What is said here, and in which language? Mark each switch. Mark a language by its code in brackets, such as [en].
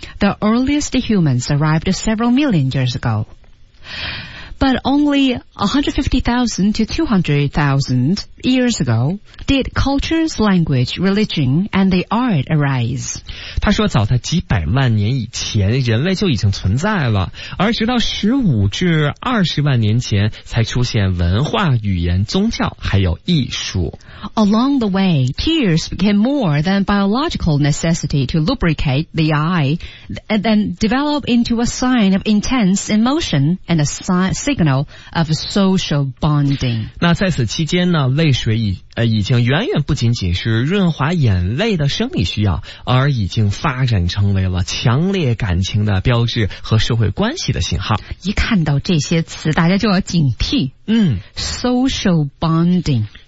[en] The earliest humans arrived several million years ago, but only 150,000 to 200,000 years ago. Did cultures, language, religion, and the art arise? [zh] 他说早在几百万年以前，人类就已经存在了，而直到15至20万年前才出现文化、语言、宗教还有艺术。 [en] Along the way, tears became more than biological necessity to lubricate the eye and then develop into a sign of intense emotion and a signal of social bonding. [zh] 那在此期间呢，泪水已经远远不仅仅是润滑眼泪的生理需要，而已经发展成为了强烈感情的标志和社会关系的信号。一看到这些词，大家就要警惕。 [en] Social bonding。